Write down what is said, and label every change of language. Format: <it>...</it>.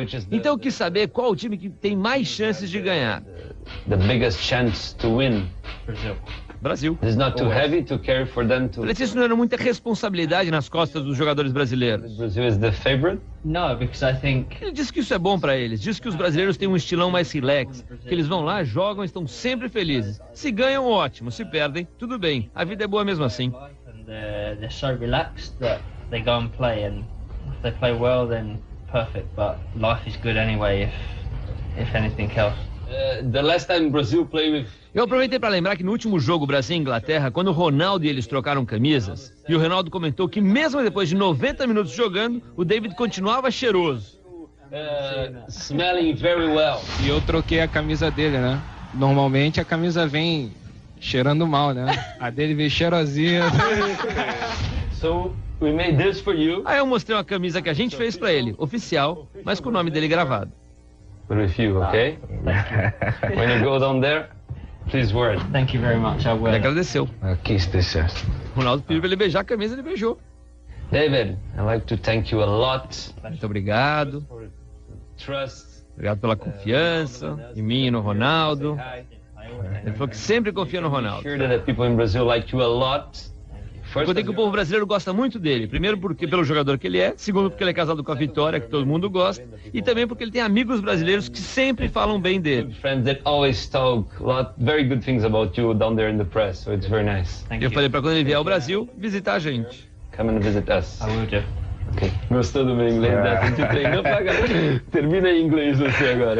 <pt>Então eu quis saber qual o time que tem mais chances de ganhar.</pt> <en>The biggest chance to win.</en> <pt>Brasil.</pt> <en>It's not too heavy to carry for them to...</en> <pt>Mas isso não era muita responsabilidade nas costas dos jogadores brasileiros.</pt> <en>Brazil is the favorite? No, because I think...</en> <pt>Ele disse que isso é bom para eles. Diz que os brasileiros têm um estilão mais relax. Que eles vão lá, jogam, estão sempre felizes. Se ganham, ótimo. Se perdem, tudo bem. A vida é boa mesmo assim.</pt> <en>They're so relaxed that they go and play. And if they play well, then perfect. But life is good anyway, if anything else. The last time Brazil played with...</en> <pt>Eu aproveitei para lembrar que no último jogo Brasil-Inglaterra, quando o Ronaldo e eles trocaram camisas, e o Ronaldo comentou que mesmo depois de 90 minutos jogando, o David continuava cheiroso.</pt> <en>Smelling very well.</en> <pt>E eu troquei a camisa dele, né? Normalmente a camisa vem cheirando mal, né? A dele veio cheirosinha.</pt> <en>So, we made this for you.</en> <pt>Aí eu mostrei uma camisa que a gente fez para ele, oficial, mas com o nome dele gravado.</pt> <en>But with you, ok? When you go down there... Please wear it. Thank you very much. I will.</en> <pt>Ele agradeceu. Aqui está certo. Ronaldo pediu para ele beijar a camisa, ele beijou.</pt> <en>David, I'd like to thank you a lot.</en> <pt>Muito obrigado.</pt> <en>Trust.</en> <pt>Obrigado pela confiança em mim e no Ronaldo. Ele falou que sempre confia no Ronaldo.</pt> <en>Sure that people in Brazil like you a lot.</en> <pt>Contei que o povo brasileiro gosta muito dele. Primeiro porque pelo jogador que ele é. Segundo porque ele é casado com a Vitória, que todo mundo gosta. E também porque ele tem amigos brasileiros que sempre falam bem dele.</pt> <en>Friends that always talk very good things about you down there in the press. So it's very nice.</en> <pt>Eu falei para quando ele vier ao Brasil, visitar a gente.</pt> <en>Come and visit us. I will do.</en> <pt>Okay. Gostou do meu inglês? Yeah. Né? Te treinou pra galera. Termina em inglês você agora.</pt>